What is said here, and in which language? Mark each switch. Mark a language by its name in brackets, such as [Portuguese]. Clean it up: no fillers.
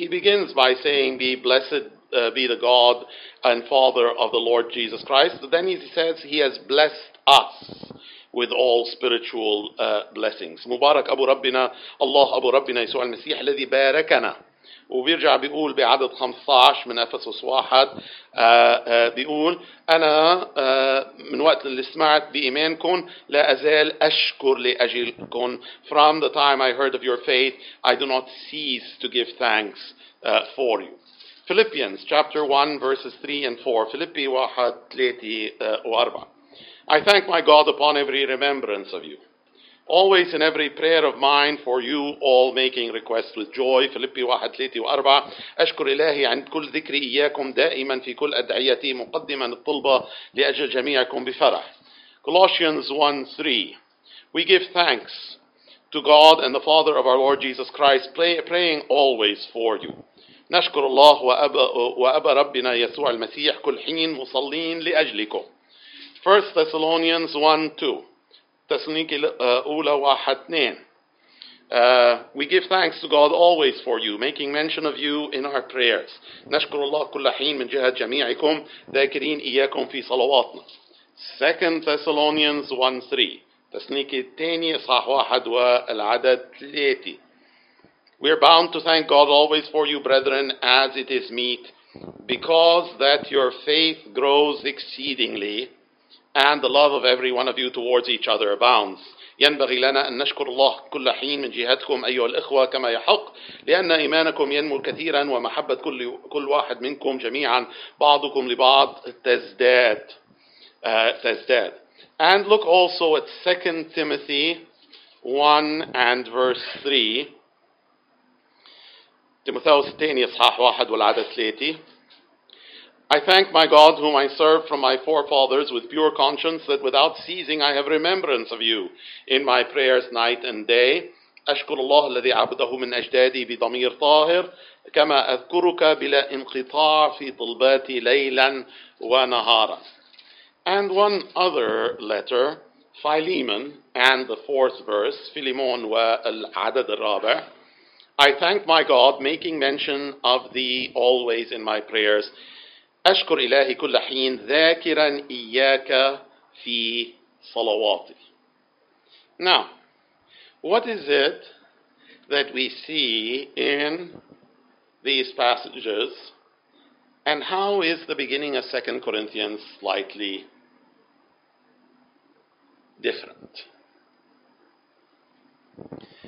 [English] He begins by saying, be blessed be the God and Father of the Lord Jesus Christ. But then he says, he has blessed us with all spiritual blessings. [Arabic] مبارك أبو ربنا الله أبو ربنا يسوع المسيح الذي باركنا. وبيرجع بيقول بعدد 15 من أفسس 1 بيقول أنا من وقت اللي سمعت بإيمانكم لا أزال أشكر لأجلكم. [English] From the time I heard of your faith I do not cease to give thanks for you. Philippians chapter 1 verses 3 and 4. Philippi 1:3-4. I thank my God upon every remembrance of you. Always in every prayer of mine for you all making requests with joy. Philippi 1:3-4. [Arabic] أشكر إلهي عند كل ذكري إياكم دائما في كل أدعيتي مقدما الطلبة لأجل جميعكم بفرح. [English] Colossians 1:3. We give thanks to God and the Father of our Lord Jesus Christ, praying always for you. [Arabic] نشكر الله وأبا ربنا يسوع المسيح كل حين مصلين لأجلكم. 1 Thessalonians 1:2. تسليك الأولى 1:2. [English] We give thanks to God always for you, making mention of you in our prayers. [Arabic] نشكر الله كل حين من جهة جميعكم ذاكرين إياكم في صلواتنا. 2 Thessalonians 1:3. تسليك الثاني صح 1 والعدد 3. [English] We are bound to thank God always for you, brethren, as it is meet, because that your faith grows exceedingly, and the love of every one of you towards each other abounds. [Arabic] ينبغي لنا أن نشكر الله كل حين من جهتكم أيها الإخوة كما يحق, لأن إيمانكم ينمو كثيرا ومحبة كل واحد منكم جميعا بعضكم لبعض تزداد. تزداد. [English] And look also at 2 Timothy 1 and verse 3. [Arabic] تيموثاوس الثاني إصحاح 1 والعدد 3. [English] I thank my God whom I served from my forefathers with pure conscience that without ceasing I have remembrance of you in my prayers night and day. [Arabic] أشكر الله الذي عبده من أجدادي بضمير طاهر كما أذكرك بلا انقطاع في طلباتي ليلا ونهارا. [English] And one other letter, Philemon and the fourth verse, Philemon [Arabic] والعدد الرابع. [English] I thank my God making mention of thee always in my prayers. [Arabic] أشكر إلهي كل حين ذاكرا إياك في صلواتي. [English] Now, what is it that we see in these passages, and how is the beginning of 2 Corinthians slightly different?